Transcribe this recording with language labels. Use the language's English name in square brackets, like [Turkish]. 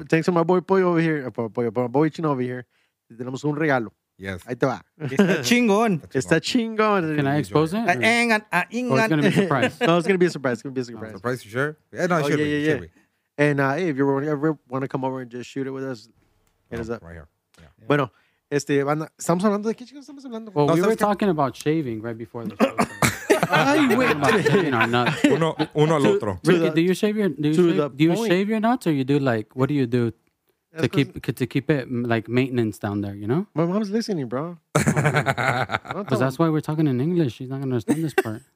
[English] to, thanks to my boy Pollo over here. Boy Chino over here. [Spanish] Tenemos un regalo. [English] Yes. [Spanish] Ahí te va. Está chingón. [English] Can I expose it? It's going to be a surprise. Surprise, you sure? Yeah, no, it should be. And hey, if you ever want to come over and just shoot it with us, hit us up. Right here. Yeah. [Spanish] Bueno, estamos hablando de qué chicos estamos hablando. [English] Well, no, we were talking about shaving right before the show. I went about shaving our nuts. [Spanish] Uno al otro. [English] Do you shave your nuts or you do like, what do you do? To keep it like maintenance down there, you know? My mom's listening, bro. Because that's why we're talking in English. She's not going to understand this part.